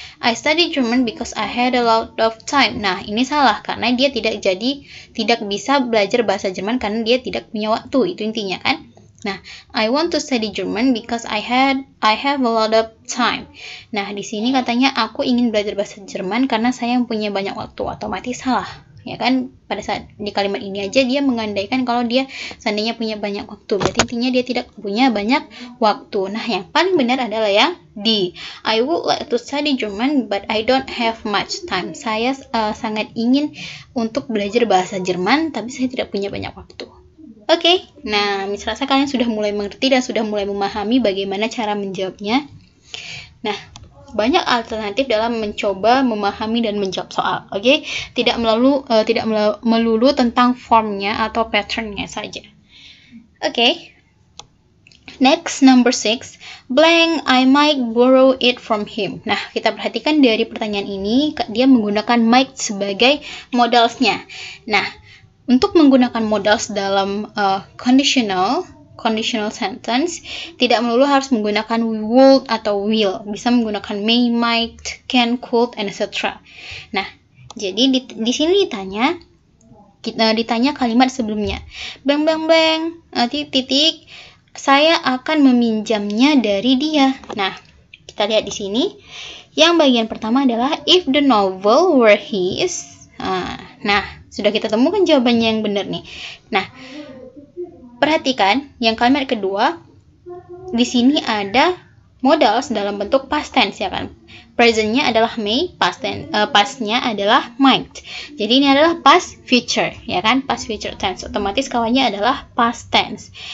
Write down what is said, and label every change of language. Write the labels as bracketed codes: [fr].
[en] I study German because I had a lot of time. [id] Nah, ini salah, karena dia tidak bisa belajar bahasa Jerman karena dia tidak punya waktu. Itu intinya, kan? [en] Nah, I want to study German because I have a lot of time. [id] Nah, di sini katanya aku ingin belajar bahasa Jerman karena saya mempunyai banyak waktu. Otomatis salah, ya kan? Pada saat di kalimat ini aja dia mengandaikan kalau dia seandainya punya banyak waktu. Berarti intinya dia tidak punya banyak waktu. Nah, yang paling benar adalah yang di. [en] I would like to study German, but I don't have much time. [id] Saya sangat ingin untuk belajar bahasa Jerman, tapi saya tidak punya banyak waktu. Oke, okay. Nah, misalnya kalian sudah mulai mengerti dan sudah mulai memahami bagaimana cara menjawabnya. Nah, banyak alternatif dalam mencoba memahami dan menjawab soal, oke? Okay? Tidak melulu tentang formnya atau patternnya saja. Oke, okay. [en] Next, number 6. Blank, I might borrow it from him. [id] Nah, kita perhatikan dari pertanyaan ini, dia menggunakan might sebagai modalnya. Nah, untuk menggunakan modals dalam conditional sentence, tidak melulu harus menggunakan would atau will. Bisa menggunakan may, might, can, could, etc. Nah, jadi di sini ditanya, ditanya kalimat sebelumnya. Bang, bang, bang, titik, saya akan meminjamnya dari dia. Nah, kita lihat di sini. Yang bagian pertama adalah, [en] if the novel were his. [id] Nah, sudah kita temukan jawabannya yang benar nih. Nah, perhatikan yang kalimat kedua, di sini ada modals dalam bentuk past tense, ya kan? Presentnya adalah may, pastnya adalah might. Jadi ini adalah past future, ya kan? Past future tense. Otomatis kawannya adalah past tense.